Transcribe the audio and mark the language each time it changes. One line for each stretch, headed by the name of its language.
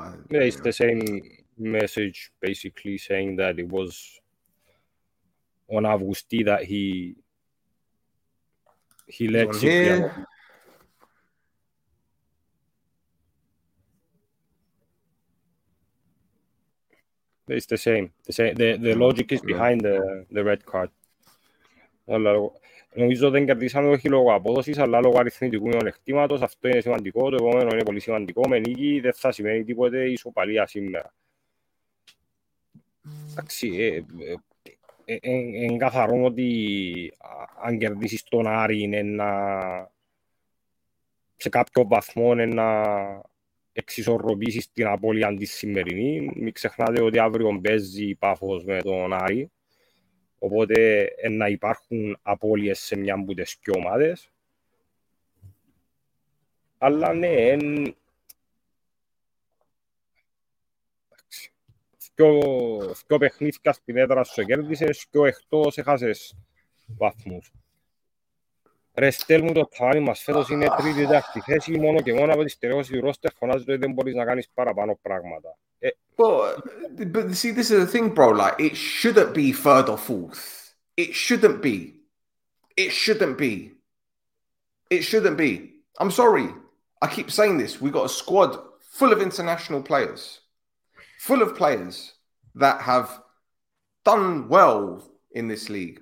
English: It's the same message, basically saying that it was on Augusti that he let Cipriano. It's the same. The logic is behind the red card.
Greek: Νομίζω δεν κερδίσαμε όχι λόγω απόδοσης, αλλά λόγω αριθμητικού μειονεκτήματος. Αυτό είναι σημαντικό, το επόμενο είναι πολύ σημαντικό. Με νίκη δεν θα σημαίνει τίποτε ισοπαλία σήμερα. Εντάξει, καθαρό ότι αν κερδίσεις τον Άρη είναι ένα... σε κάποιο βαθμό είναι να εξισορροπήσεις την απώλεια της σημερινή. Μην ξεχνάτε ότι αύριο παίζει η Πάφος με τον Άρη. Οπότε να υπάρχουν απώλειες σε μια από τις δύο ομάδες. Αλλά ναι, δύο παιχνίδια στην έδρα σου κέρδισες, δύο εκτός έχασες βαθμούς. Ρε Στέλ μου, το τσάρι μας φέτος είναι τρίτη δεύτερη θέση, μόνο και μόνο από τη στερεώση του ρόστερ φωνάζει ότι δεν μπορείς να κάνεις παραπάνω πράγματα.
English: But see, this is the thing, bro. Like, it shouldn't be third or fourth. It shouldn't be. It shouldn't be. It shouldn't be. I'm sorry. I keep saying this. We've got a squad full of international players. Full of players that have done well in this league.